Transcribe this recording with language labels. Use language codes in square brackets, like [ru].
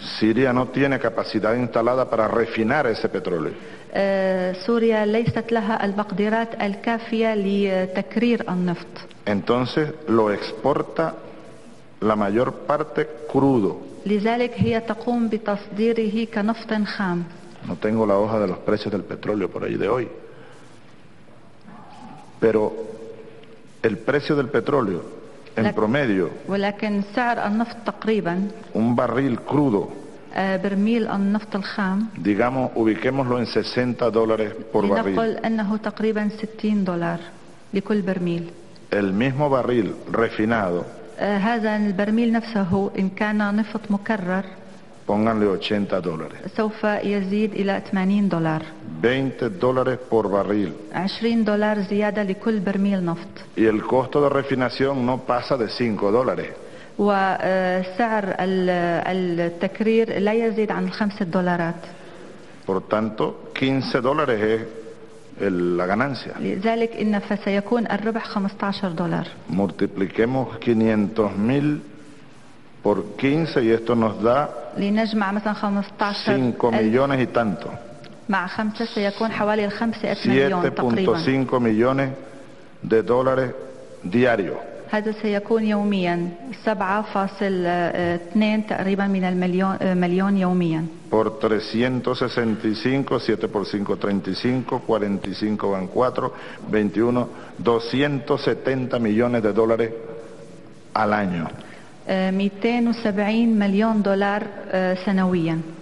[es] Siria no tiene capacidad instalada para refinar ese petróleo. [ar] سوريا ليست لها المقدرات الكافية لتكرير النفط. [es] Entonces lo exporta la mayor parte crudo. [ar] لذلك هي تقوم بتصديره كنفط خام. [es] No tengo la hoja de los precios del petróleo por ahí de hoy. Pero el precio del petróleo en promedio. [ar] ولكن سعر النفط تقريبا. [es] Un barril crudo. [ar] برميل النفط الخام. [es] Digamos, ubiquémoslo en 60 dólares por barril. [ar] لنقل انه تقريبا 60 دولار لكل برميل. [es] El mismo barril refinado. [ar] هذا البرميل نفسه إن كان نفط مكرر. [es] Pónganle 80 دولار. [ar] سوف يزيد إلى 80 دولار. [es] 20 دولار por barril. [ar] 20 دولار زيادة لكل برميل نفط. [es] Y el costo de refinación no pasa de 5 دولار. [ar] وسعر التكرير لا يزيد عن 5 دولارات. [es] Por tanto, 15 دولار es la ganancia. [ar] لذلك إن فسيكون الربح 15 دولار. [es] Multipliquemos 500,000 por 15 y esto nos da [ar] لنجمع مثلا 15 [es] 5 millones y tanto. [ar] مع 5 سيكون حوالي 5 مليون تقريبا. [es] 7.5 millones de dólares diario. [ar] هذا سيكون يوميا 7.2 تقريبا من المليون مليون يوميا. [es] Por 365, 7 por 5, 35, 45 van 4, 21, 270 millones de dólares al año. [ar] 270 مليون دولار سنويا.